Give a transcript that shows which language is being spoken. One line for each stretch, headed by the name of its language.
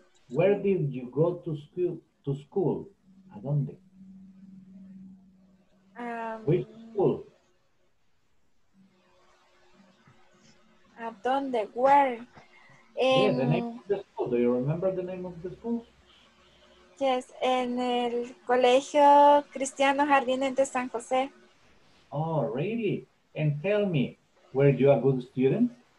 English: Where did you go to school?
Spanish: ¿A dónde?
English: Which school?
Spanish: ¿A dónde?
English: Where? Yeah, the name of the school. Do you remember the name of the school? Yes,
Spanish: en el Colegio Cristiano Jardín de San José.
English: Oh, really? And tell me, were you a good student?